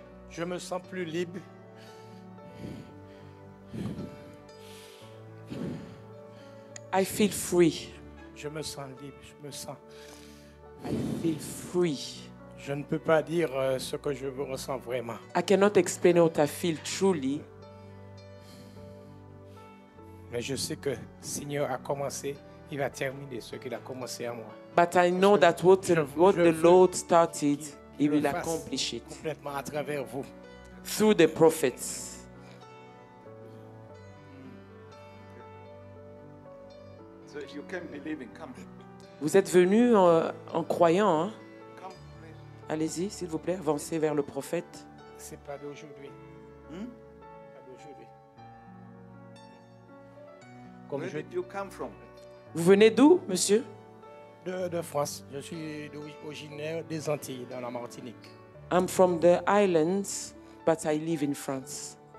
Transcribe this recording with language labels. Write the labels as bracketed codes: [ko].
[fr] Je me sens plus libre. [en] I feel free. [fr] Je me sens libre, je me sens. [en] I feel free. [fr] Je ne peux pas dire ce que je ressens vraiment. [en] I cannot explain what I feel truly. [fr] Mais je sais que le Seigneur a commencé, il va terminer ce qu'il a commencé en moi. [en] But I know that what the Lord started, he will accomplish it. [fr] Complètement à travers vous. [en] Through the prophets. So you can believe in coming. [fr] Vous êtes venu en croyant. Hein? Allez-y, s'il vous plaît, avancez vers le prophète. C'est pas d'aujourd'hui. Pas d'aujourd'hui. [en] Comme Where did you come from? [fr] Vous venez d'où, monsieur? De France. Je suis originaire des Antilles, dans la Martinique. [en] I'm from the islands, but I live in France.